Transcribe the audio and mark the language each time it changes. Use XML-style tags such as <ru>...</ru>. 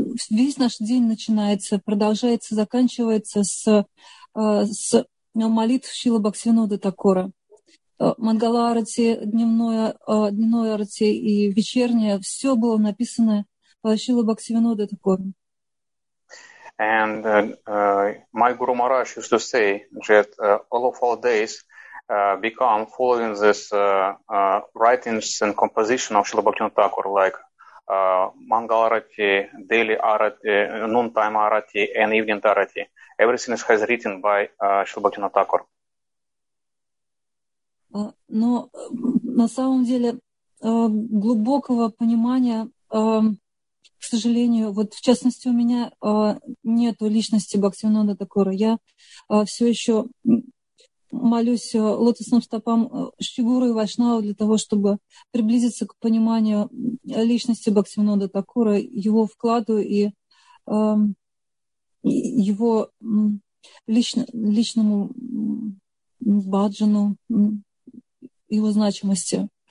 <ru>Весь наш день начинается, продолжается, заканчивается с молитв Шрилы Бхактивинода Такура. Мангаларати, дневной арати и вечернее, все было написано Шрилы Бхактивинода Такура.</ru> <en>And my Guru Maharaj used to say that all of our days become following this writings and composition of Srila Bhaktivinoda Thakur, like Mangal Arati, Daily Arati, Noontime Arati, and Evening Arati. Everything is has written by Srila Bhaktivinoda Thakur.</en> <ru>Но на самом деле глубокого понимания, к сожалению, вот в частности у меня нету личности Бхактивинода Такура. Я все еще молюсь лотосным стопам Шигуру и Вайшнава для того, чтобы приблизиться к пониманию личности Бхактивинода Такура, его вкладу и его личному баджану, его значимости.</ru>